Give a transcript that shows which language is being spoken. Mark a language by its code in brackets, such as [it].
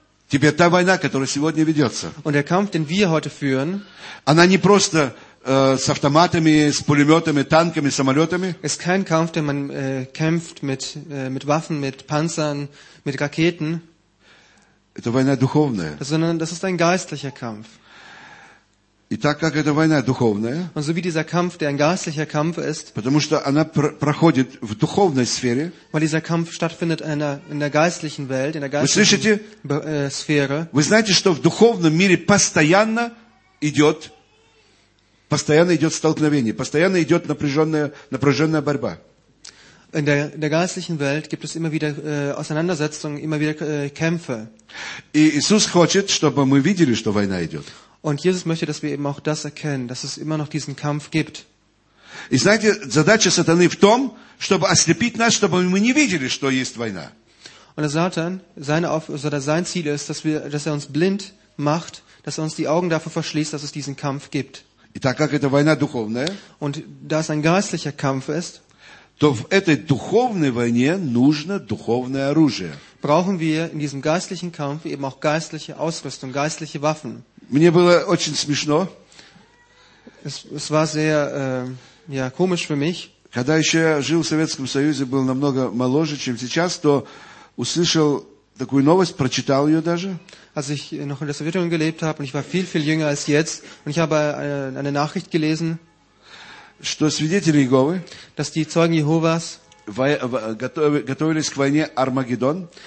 [ru] Теперь та война, которая сегодня ведется. [de] Und der Kampf, den wir heute führen, [ru] она не просто с автоматами, с пулеметами, танками, самолетами. [de] Ist kein Kampf, den man kämpft mit Waffen, mit Panzern, mit Raketen. [ru] Это война духовная. [de] Sondern das ist ein geistlicher Kampf. [ru] И так как эта война духовная. [de] Und so wie dieser Kampf, der ein geistlicher Kampf ist. [ru] Потому что она проходит в духовной сфере. [de] Weil dieser Kampf stattfindet in der geistlichen Welt, in der geistlichen Sphäre. [ru] Вы знаете, что в духовном мире постоянно идет столкновение, постоянно идет напряженная борьба. [de] In der geistlichen Welt gibt es immer wieder Auseinandersetzungen, immer wieder Kämpfe. [ru] И Иисус хочет, чтобы мы видели, что война идет. [de] Und Jesus möchte, dass wir eben auch das erkennen, dass es immer noch diesen Kampf gibt. [ru] И знаете, задача сатаны в том, чтобы ослепить нас, чтобы мы не видели, что есть война. [de] Und der Satan, sein Ziel ist, dass er uns blind macht, dass er uns die Augen dafür verschließt, dass es diesen Kampf gibt. [ru] И так как это война духовная, [de] und da es ein geistlicher Kampf ist, [ru] то в этой духовной войне нужно духовное оружие. [de] Brauchen wir in diesem geistlichen Kampf eben auch geistliche Ausrüstung, geistliche Waffen. [ru] Мне было очень смешно. [de] Es war sehr komisch für mich. [ru] Когда еще я жил в Советском Союзе, был намного моложе, чем сейчас, то услышал такую новость, прочитал ее даже. [de] Als ich noch in der Sowjetunion gelebt habe und ich war viel, viel jünger als jetzt und ich habe eine Nachricht gelesen, [ru] что свидетели Иеговы, [de] dass die Zeugen Jehovas [ru] готовились к войне Армагеддон,